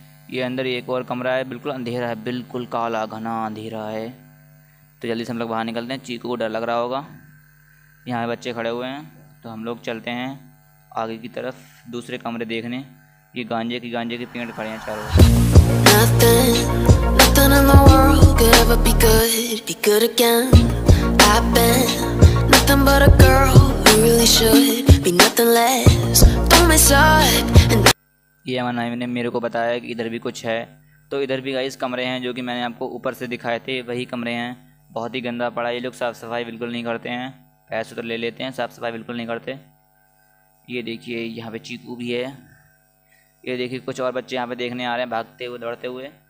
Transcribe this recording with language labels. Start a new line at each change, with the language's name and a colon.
Hindi: ये अंदर एक और कमरा है, बिल्कुल अंधेरा है, बिल्कुल काला घना अंधेरा है। तो जल्दी से हम लोग बाहर निकलते हैं, चीकू को डर लग रहा होगा, यहाँ बच्चे खड़े हुए हैं। तो हम लोग चलते हैं आगे की तरफ दूसरे कमरे देखने। ये गांजे के पेड़ खड़े हैं चारों।
English: Nothing in the world could ever be good again. I've been nothing but a girl who really should be nothing less. Don't mess up.
Hindi: ये मनाई ने मेरे को बताया कि इधर भी कुछ है, तो इधर भी गाइस कमरे हैं, जो कि मैंने आपको ऊपर से दिखाए थे वही कमरे हैं। बहुत ही गंदा पड़ा, ये लोग साफ सफाई बिल्कुल नहीं करते हैं, पैसे तो ले लेते हैं, साफ सफाई बिल्कुल नहीं करते। ये देखिए यहाँ पे चीकू भी है, ये देखिए कुछ और बच्चे यहाँ पे देखने आ रहे हैं भागते हुए दौड़ते हुए।